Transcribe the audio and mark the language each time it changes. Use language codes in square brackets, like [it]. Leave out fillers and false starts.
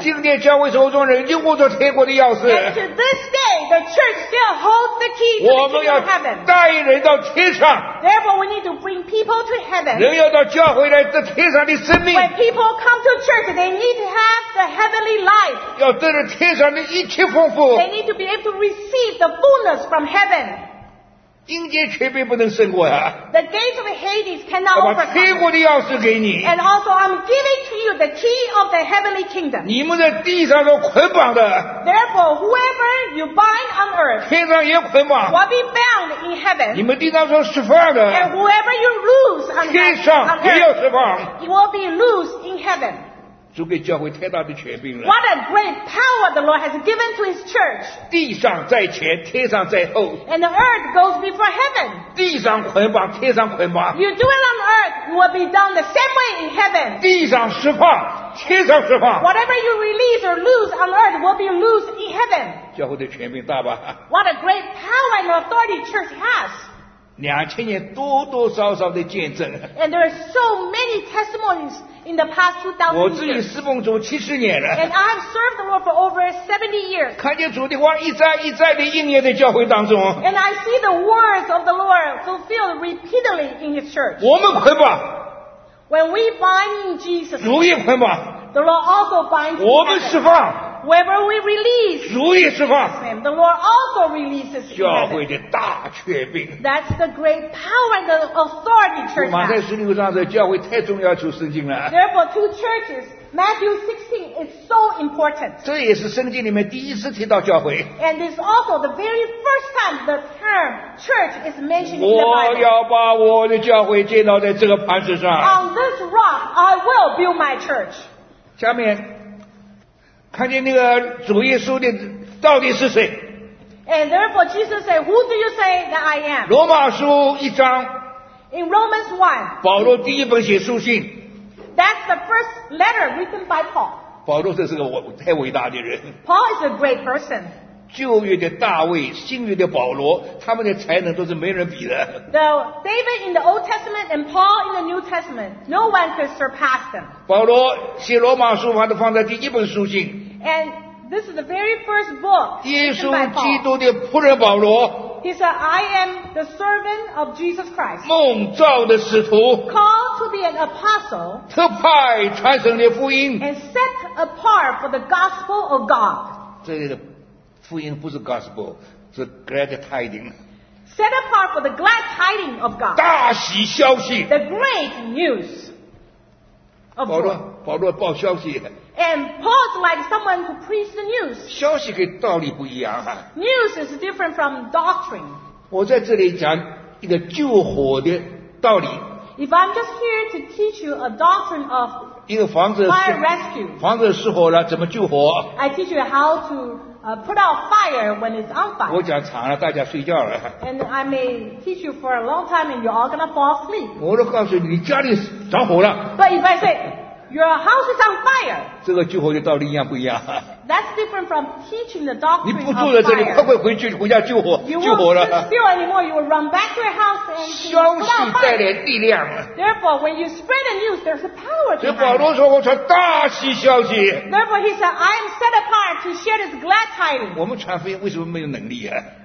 [zh] 今天教会手中仍旧握着天国的钥匙。 [en] And to this day, the church still holds the key to the kingdom of heaven. [zh] 我们要带人到天上。 [en] Therefore, we need to bring people to heaven. [zh] 人要到教会来得天上的生命。 [en] When people come to church, they need to have the heavenly life. [zh] 要得着天上的一切丰富。 [en] They need to be able to receive the fullness from heaven. [zh] 阴间权柄不能胜过呀。 [en] The gates of Hades cannot overcome. [zh] 把天国的钥匙给你。 [en] And also, I'm giving to you the key of the heavenly kingdom. [zh] 你们在地上都捆绑的。 [en] Therefore, whoever you bind on earth, [zh] 天上也捆绑。 [en] Will be bound in heaven. [zh] 你们地上都释放的。 [en] And whoever you loose. [zh] 天上也要释放。 [en] You will be loose in heaven. [zh] 主给教会太大的权柄了。 [en] What a great power the Lord has given to His church. [zh] 地上在前，天上在后。 [en] And the earth goes before heaven. [zh] 地上捆绑，天上捆绑。 [en] You do it on earth, you will be done the same way in heaven. [zh] 地上释放，天上释放。 [en] Whatever you release or loose on earth will be loose in heaven. [zh] 教会的权柄大吧。 [en] What a great power and authority church has. [zh] 两千年多多少少的见证。 [en] And there are so many testimonies in the past 2,000 years. [zh] 我自己侍奉主七十年了。 [en] And I have served the Lord for over 70 years. [zh] 看见主的话一再一再的应验在教会当中。 [en] And I see the words of the Lord fulfilled repeatedly in His church. [zh] 我们捆绑。 [en] When we bind in Jesus. [zh] 主也捆绑。 [en] The Lord also binds. [zh] 我们释放。 [en] Whoever we release, [zh] 主也释放。 [en] The Lord also releases. [zh] 教会的大权柄。 [en] That's the great power and the authority church has. [zh] 马太十六章的教会太重要，求圣经了。 [en] Therefore, two churches, Matthew 16 is so important. [zh] 这也是圣经里面第一次提到教会。 [en] And it's also the very first time the term church is mentioned in the Bible. [zh] 我要把我的教会建造在这个磐石上。 [en] On this rock, I will build my church. [zh] 下面。看见那个主耶稣的到底是谁 [en] ？And therefore Jesus said, "Who do you say that I am?" [zh] 罗马书一章。 [en] In Romans 1. [zh] 保罗第一本写书信。 [en] That's the first letter written by Paul. [zh] 保罗这是个太伟大的人。 [en] Paul is a great person. [zh] 旧约的大卫，新约的保罗，他们的才能都是没人比的。 [en] The David in the Old Testament and Paul in the New Testament, no one could surpass them. [zh] 保罗写罗马书，把它放在第一本书信。 [en] And this is the very first book. [zh] 耶稣基督的仆人保罗。 [en] He said, "I am the servant of Jesus Christ." [zh] 蒙召的使徒。 [en] Called to be an apostle. [zh] 特派传神的福音。 [en] And set apart for the gospel of God. [zh] 这里的福音不是 gospel， 是 [en] glad tidings。 Set apart for the glad tidings of God. [zh] 大喜消息。 [en] The great news. [zh] 保罗，保罗报消息。 [en] And Paul's like someone who preached the news. [zh] 消息跟道理不一样啊。 [en] News is different from doctrine. [zh] 我在这里讲一个救火的道理。 [en] If I'm just here to teach you a doctrine of fire rescue, [zh] 房子失火了怎么救火 [en] ？I teach you how to put out fire when it's on fire. [zh] 我讲长了，大家睡觉了。 [en] And I may teach you for a long time, and you're all gonna fall asleep. [zh] 我都告诉你，你家里着火了。 [en] But if I say your house is on fire, [zh] 这个救火的道理一样不一样 [en] ？That's different from teaching the doctrine of fire. [zh] 你不住在这里，快快回去回家救火，救火了。 [en] You won't feel anymore. You will run back to your house and put out fire. [zh] 消息带来力量。 [en] Therefore, when you spread the news, there's a power. [zh] 所以保罗说，我传大喜消息。 [en] Therefore, he said, I am set apart to share this glad tidings. [zh] 我们传福音为什么没有能力啊？